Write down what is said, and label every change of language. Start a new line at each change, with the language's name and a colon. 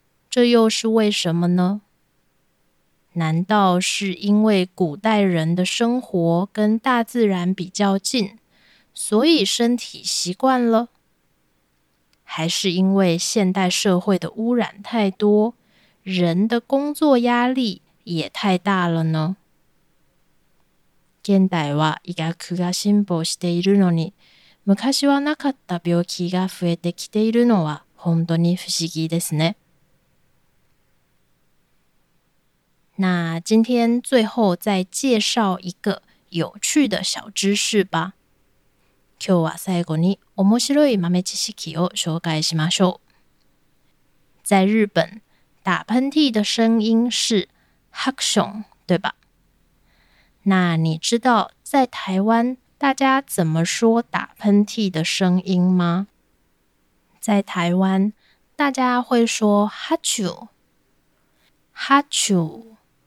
Chinese: 这又是为什么呢？难道是因为古代人的生活跟大自然比较近，所以身体习惯了？还是因为现代社会的污染太多，人的工作压力也太大了呢？
Japanese: 現代は医学が進歩しているのに、昔はなかった病気が増えてきているのは本当に不思議ですね。
Chinese: 那今天最后再介绍一个有趣的小知识吧。
Japanese: 今日は最後に面白い豆知識を紹介しましょう。
Chinese: 在日本，打喷嚏的声音是ハクション，对吧？那你知道在台湾大家怎么说打喷嚏的声音吗？在台湾大家会说哈啾哈啾。